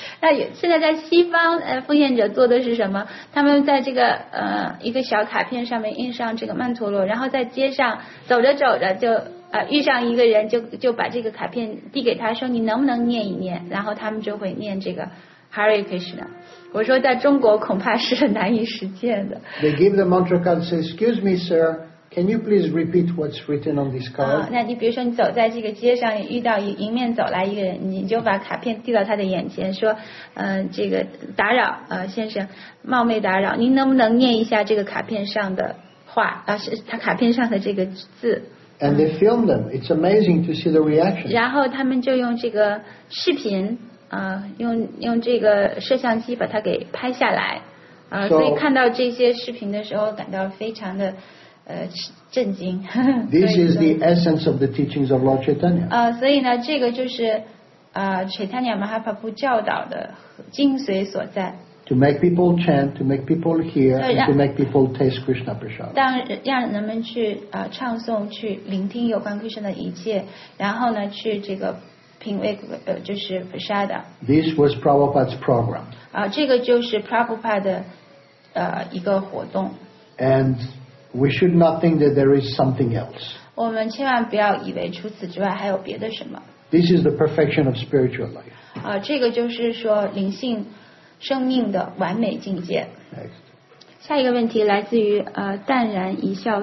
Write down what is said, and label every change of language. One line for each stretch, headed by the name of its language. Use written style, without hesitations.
Chinese: 那现在在西方奉献者做的是什么？他们在这个一个小卡片上面印上这个曼陀罗，然后在街上走着走着就遇上一个人，就把这个卡片递给他说，你能不能念一念？然后他们就会念这个Hare Krishna. 我说在中国恐怕是难以实践的。
English: They give the mantra card and say, excuse me, sir, can you please repeat what's written on this card?
Chinese: 那你比如说你走在这个街上，遇到迎面走来一个人，你就把卡片递到他的眼前，说，这个打扰，先生，冒昧打扰，您能不能念一下这个卡片上的话，他卡片上的这个字。
English: And they film them. It's amazing to see the reaction.
Chinese: 然后他们就用这个视频用这个摄像机把它给拍下来，所以看到这些视频的时候感到非常的震惊。
English: This is the essence of the teachings of Lord Chaitanya.
Chinese: 所以呢，这个就是Chaitanya Mahaprabhu 教导的精髓所在。
English: To make people chant, to make people hear, and to make people taste Krishna prasad.
Chinese: 让人们去唱诵，去聆听有关 Krishna 的一切，然后呢，去这个。品味就是菩萨的。
English: This was Prabhupada's program.
Chinese: 这个就是 Prabhupada 的一个活动。
English: And we should not think that there is something else.
Chinese: 我们千万不要以为除此之外还有别的什么。
English: This is the perfection of spiritual life.
Chinese: 这个就是说灵性生命的完美境界。
English: Next.
Chinese: 下一个问题来自于淡然一笑。